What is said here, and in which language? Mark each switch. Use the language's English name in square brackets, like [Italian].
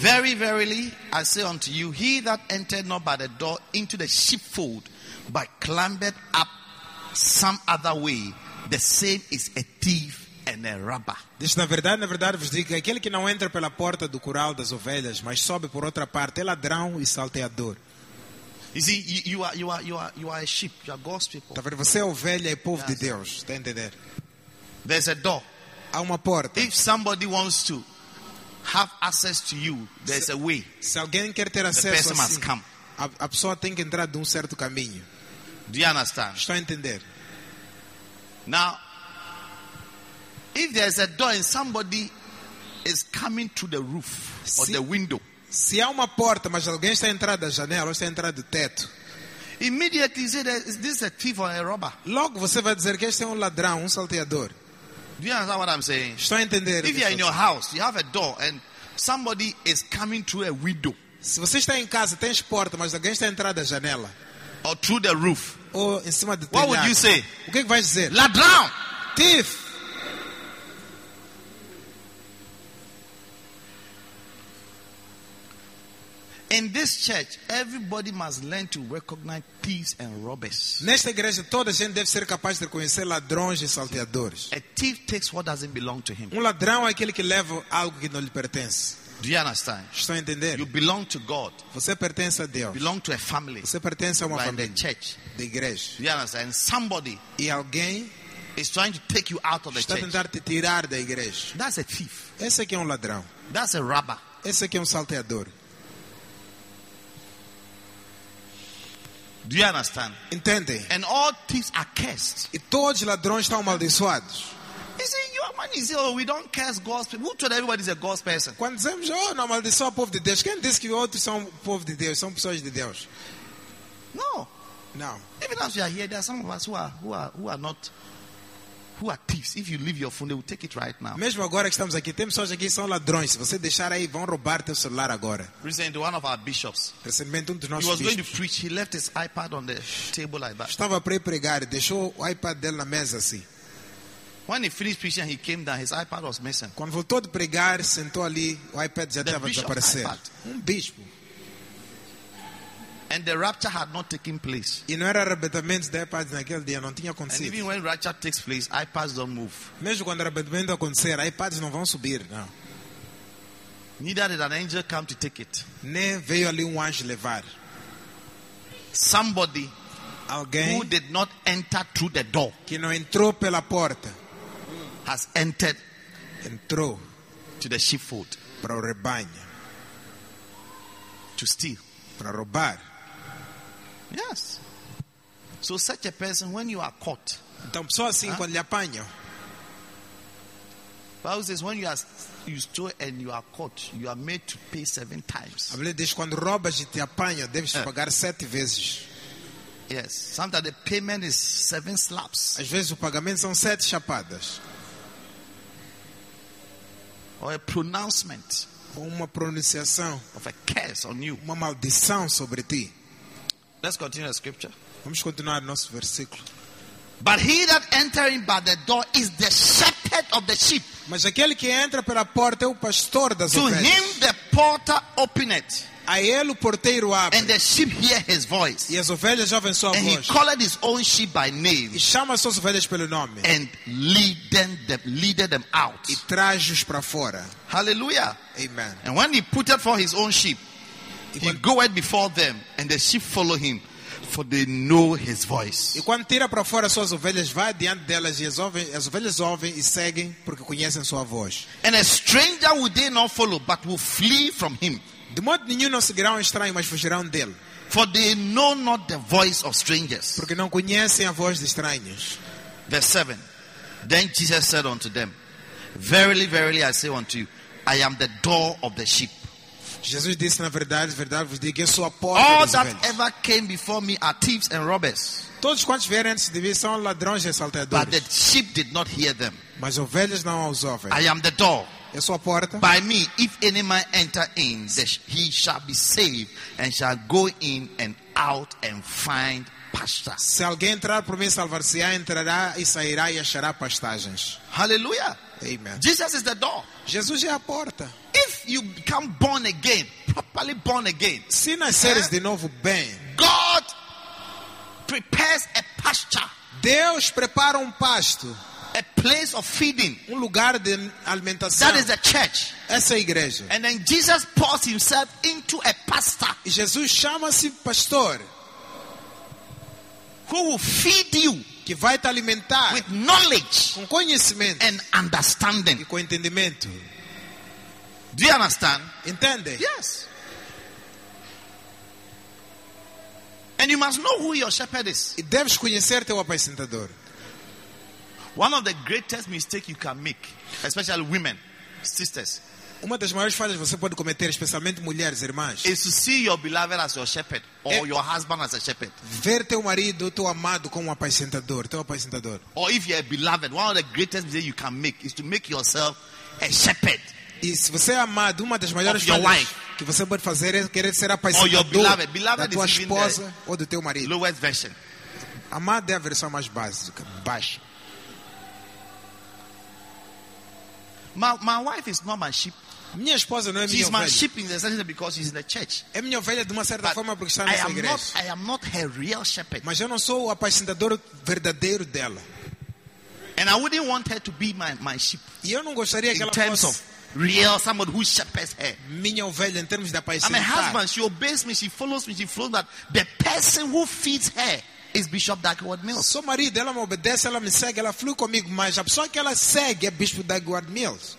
[English] Very verily I say unto you, he that entered not by the door into the sheepfold, but climbed up some other way, the same is a thief and a robber. [Portuguese] Diz, na verdade vos digo, aquele que não entra pela porta do curral das ovelhas, mas sobe por outra parte, é ladrão e salteador. [English] You see, you are a sheep, you are God's people. [Portuguese] Tá vendo? Você é ovelha e povo de Deus, tá entendendo? [English] There's a door. [Portuguese] Há uma porta. [English] If somebody wants to have access to you, there's a way. [Portuguese] Se alguém quer ter acesso, [English] the person must come. [Portuguese] A pessoa tem que entrar de um certo caminho. [English] Do you understand? [Portuguese] Estou a entender. [English] Now, if there's a door and somebody is coming to the roof or the window. [Portuguese] Se há uma porta, mas alguém está a entrar da janela ou está a entrar do teto. [English] Immediately you say that this is a thief or a robber. [Portuguese] Logo você vai dizer que este é um ladrão, um salteador. [English] Do you understand what I'm saying? [Portuguese] Estou a entender. [English] If you are in your house, you have a door and somebody is coming through a window. [Portuguese] Se você está em casa, tens porta, mas alguém está a entrar da janela. [English] Or through the roof. [Portuguese] Ou em cima do telhado. [English] What would you say? [Portuguese] O que vais dizer? Ladrão! [English] Thief! In this church, everybody must learn to recognize thieves and robbers. [Portuguese] Nesta igreja, toda a gente deve ser capaz de reconhecer ladrões e salteadores. [English] A thief takes what doesn't belong to him. [Portuguese] Um ladrão é aquele que leva algo que não lhe pertence. [English] Do you understand? [Portuguese] Estou a entender. [English] You belong to God. [Portuguese] Você pertence a Deus. [English] You belong to a family. [Portuguese] Você pertence a uma [English] like [Portuguese] família. [English] The church. [Portuguese] Da igreja. [English] Do you understand? And somebody [Portuguese] e alguém [English] is trying to take you out of the [Portuguese] está [English] church. [Portuguese] Está a tentar te tirar da igreja. [English] That's a thief. [Portuguese] Esse aqui é um ladrão. [English] That's a robber. [Portuguese] Esse aqui é um salteador. [English] Do you understand? [Portuguese] Entende? [English] And all thieves are cursed. [Portuguese] E todos os ladrões estão amaldiçoados. [English] You see, your man is oh, we don't curse God's people. Who told everybody is a God's person? [Portuguese] Quando dizemos, oh, não amaldiçoa o povo de Deus. Quem diz que outros são povo de Deus, são pessoas de Deus? [English] No. [Portuguese] No. [English] Even as we are here, there are some of us who are thieves. If you leave your phone, they will take it right now. [Portuguese] Mesmo agora que estamos aqui, tem pessoas aqui que são ladrões. Se você deixar aí, vão roubar teu celular agora. [English] Recently, one of our bishops. [Portuguese] Recentemente, dos nossos [English] he was [Portuguese] bispos, [English] going to preach. He left his iPad on the table like that. [Portuguese] Estava para pregar, deixou o iPad dele na mesa assim. [English] When he finished preaching, he came down. His iPad was missing. [Portuguese] Quando voltou de pregar, sentou ali, o iPad já estava desaparecendo. Um bispo. [English] And the rapture had not taken place. [Portuguese] E não era arrebatamento de iPads naquele dia, não tinha acontecido. [English] And even when rapture takes place, iPads don't move. [Portuguese] Mesmo quando arrebatamento acontecer, iPads não vão subir, não. [English] Neither did an angel come to take it. [Portuguese] Nem veio ali um anjo levar. [English] Somebody, [Portuguese] alguém, [English] who did not enter through the door, [Portuguese] que não entrou pela porta, [English] has entered, [Portuguese] entrou, [English] to the sheepfold, [Portuguese] para o rebanho, [English] to steal, [Portuguese] para roubar. [English] Yes. So such a person, when you are caught, [Portuguese] então pessoa assim quando lhe apanha. [English] Paul says, when you stole and you are caught, you are made to pay seven times. [Portuguese] A Bíblia diz quando roubas e te apanha, deves pagar sete vezes. [English] Yes. Sometimes the payment is seven slaps. [Portuguese] Às vezes o pagamento são sete chapadas. [English] Or a pronouncement. [Portuguese] Uma pronunciação. [English] Of a curse on you. [Portuguese] Uma maldição sobre ti. [English] Let's continue the scripture. [Portuguese] Vamos continuar nosso versículo. [English] But he that entering by the door is the shepherd of the sheep. [Portuguese] Mas aquele que entra pela porta é o pastor das ovelhas. [English] To him the porter openeth. [Portuguese] A ele o porteiro abre. [English] And the sheep hear his voice. [Portuguese] E as ovelhas ouvem sua [English] and [Portuguese] voz. [English] And he calleth his own sheep by name. [Portuguese] E chama as suas ovelhas pelo nome. [English] And lead them out. [Portuguese] E traz-os para fora. [English] Hallelujah. [Portuguese] Amen. [English] And when he putteth forth his own sheep, he goeth before them, and the sheep follow him, for they know his voice. [Portuguese] E quando tira para fora suas ovelhas, vai diante delas e as ovelhas ouvem e seguem porque conhecem sua voz. [English] And a stranger will they not follow, but will flee from him. [Portuguese] De modo nenhum não seguirão estranhos, mas fugirão dele. [English] For they know not the voice of strangers. [Portuguese] Porque não conhecem a voz de estranhos. [English] Verse 7. Then Jesus said unto them, verily, verily, I say unto you, I am the door of the sheep. [Portuguese] Jesus disse, na verdade, verdade vos digo, eu sou a porta. [English] All [Portuguese] dos [English] that ever came before me are thieves and robbers. [Portuguese] Todos quantos vieram antes de mim são ladrões e assaltadores. [English] But the sheep did not hear them. [Portuguese] Mas ovelhas não as ouvem. [English] I am the door. [Portuguese] é sua porta. [English] By me, if any man enter in, he shall be saved and shall go in and out and find pasture. [Portuguese] Se alguém entrar por mim, salvar-se-á, entrará e sairá e achará pastagens. [English] Hallelujah. [Portuguese] Amen. [English] Jesus is the door. [Portuguese] Jesus é a porta. [English] If you become born again, properly born again, [Portuguese] se nasceres de novo bem, [English] God prepares a pasture. [Portuguese] Deus prepara pasto. [English] A place of feeding. [Portuguese] Lugar de alimentação. [English] That is the church. [Portuguese] Essa é a igreja. [English] And then Jesus pours himself into a pastor. [Portuguese] Jesus chama-se pastor. [English] Who will feed you. [Portuguese] Que vai te alimentar. [English] With knowledge. [Portuguese] Com conhecimento. [English] And understanding. [Portuguese] E com entendimento. [English] Do you understand? [Portuguese] Entende? [English] Yes. And you must know who your shepherd is. [Portuguese] E deves conhecer teu apacentador. [English] One of the greatest mistakes you can make, especially women, sisters, [Portuguese] uma das maiores falhas você pode cometer, especialmente mulheres, irmãs, [English] is to see your beloved as your shepherd or your husband as a shepherd. [Portuguese] Ver teu marido, teu amado como apacentador, teu apacentador. [English] Or if you are beloved, one of the greatest mistakes you can make is to make yourself a shepherd. [Portuguese] E se você é amado, uma das maiores [English] of your [Portuguese] falhas [English] wife, [Portuguese] que você pode fazer é querer ser apacentador [English] beloved [Portuguese] da tua esposa ou do teu marido. [English] Lowest version. [Portuguese] Amado é a versão mais básica, baixa. [English] My wife is not my sheep. [Portuguese] Minha esposa não é [English] she's [Portuguese] minha [English] my sheep in the sense that because she's in the church. [Portuguese] É minha ovelha de uma certa [English] but [Portuguese] forma porque está nessa igreja. [English] I am not her real shepherd. [Portuguese] Mas eu não sou o apacentador verdadeiro dela. [English] And I wouldn't want her to be my sheep. [Portuguese] E eu não gostaria que ela fosse. [English] In terms of real someone who shepherds her. [Portuguese] Minha ovelha em termos de apacentar. [English] I'm a husband. She obeys me. She follows me. She follows that the person who feeds her. Is Bishop Dagwood Mills. [Portuguese] Sou marido, ela me obedece, ela me segue, ela flui comigo, mas a pessoa que ela segue é Bishop Dagwood Mills.